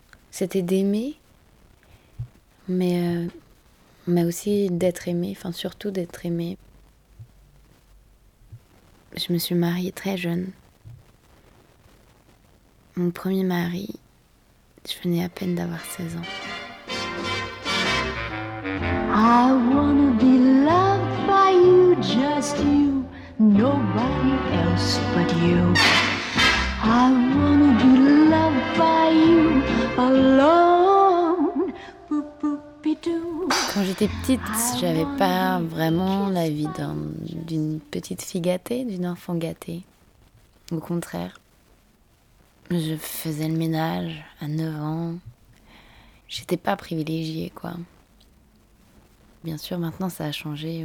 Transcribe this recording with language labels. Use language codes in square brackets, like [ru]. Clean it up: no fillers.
[fr] C'était d'aimer, mais aussi d'être aimée, enfin surtout d'être aimée. Je me suis mariée très jeune. Mon premier mari, je venais à peine d'avoir 16 ans. [en] I wanna be loved by you, just you, nobody else but you. I wanna be loved by you alone. [fr] Quand j'étais petite, j'avais pas vraiment la vie d'une petite fille gâtée, d'une enfant gâtée. Au contraire, je faisais le ménage à 9 ans. J'étais pas privilégiée, quoi. Bien sûr, maintenant ça a changé.